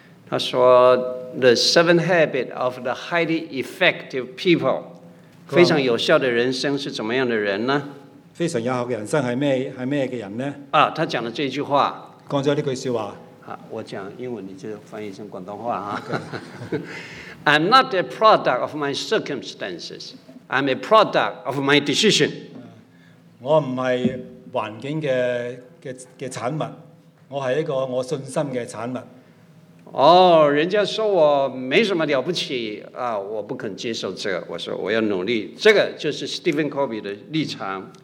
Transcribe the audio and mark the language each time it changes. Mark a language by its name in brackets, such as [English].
[Chinese] 他说 [English] The Seven Habits of the Highly Effective People， [Chinese] 非常有效的人生是怎么样的人呢？非常有效的人生是什么的人呢？啊，他讲了这句话。讲了这句话。我讲英文，你就翻译成广东话。 [English] Okay. I'm not a product of my circumstances. I'm a product of my decision. [Chinese] 我不是环境 的产物，我是一个我信心的产物。哦，人家说我没什么了不起啊，我不肯接受这个。我说我要努力，这个就是 Stephen Covey 的立场。